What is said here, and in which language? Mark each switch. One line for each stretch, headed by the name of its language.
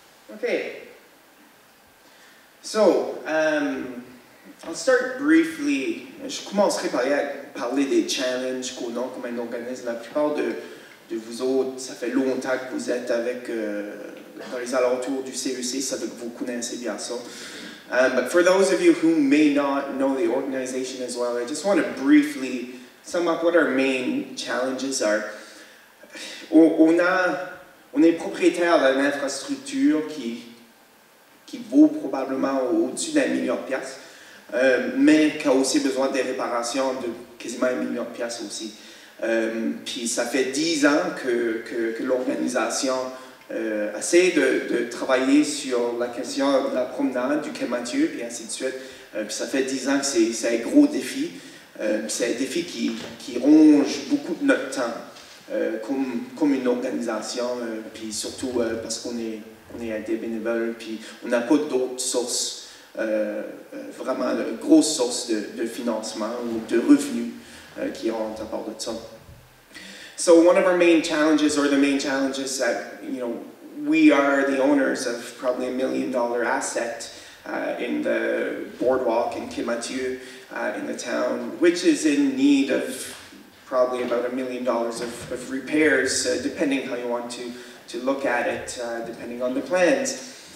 English: OK. So, I'll start briefly.
French: Je commencerai par parler des challenges qu'on a comme un organisme. La plupart de vous autres, ça fait longtemps que vous êtes avec dans les alentours du CEC, ça veut que vous connaissez bien ça.
English: But for those of you who may not know the organization as well, I just want to briefly sum up what our main challenges are.
French: On est propriétaire d'une infrastructure qui vaut probablement au-dessus d'un million de piastres. Mais qui a aussi besoin des réparations de quasiment un million de piastres aussi. Puis ça fait 10 ans que l'organisation essaie de travailler sur la question de la promenade, du quai Mathieu, et ainsi de suite. Puis ça fait 10 ans que c'est un gros défi. C'est un défi qui ronge beaucoup de notre temps comme une organisation, puis surtout parce qu'on est à des bénévoles, puis on n'a pas d'autres sources. Vraiment une grosse source de financement ou de revenus qui rentrent à part de ça.
English: So one of our main challenges, or the main challenges that, you know, we are the owners of probably $1 million asset in the boardwalk in Quai Mathieu in the town, which is in need of probably about $1 million of repairs, depending how you want to look at it, depending on the plans.